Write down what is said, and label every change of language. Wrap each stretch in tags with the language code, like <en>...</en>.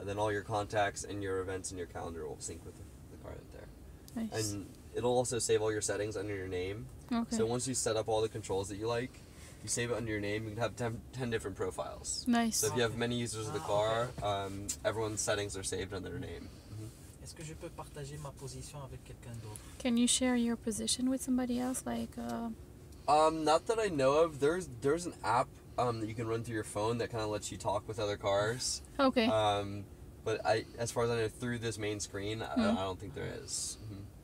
<en>And then all your contacts and your events and your calendar will sync with the car right there. Nice. And it'll also save all your settings under your name. Okay. So once you set up all the controls that you like, you save it under your name, you can have 10 different profiles. Nice. So if you have many users of the car, everyone's settings are saved under their name. Mm-hmm.</en> <fr>Est-ce que je peux partager ma position avec quelqu'un d'autre?</fr> <en>Can you share your position with somebody else? Not that I know of. There's an app that you can run through your phone that kind of lets you talk with other cars. Okay. But I, as far as I know, through this main screen, I don't think there is. Mm-hmm.</en>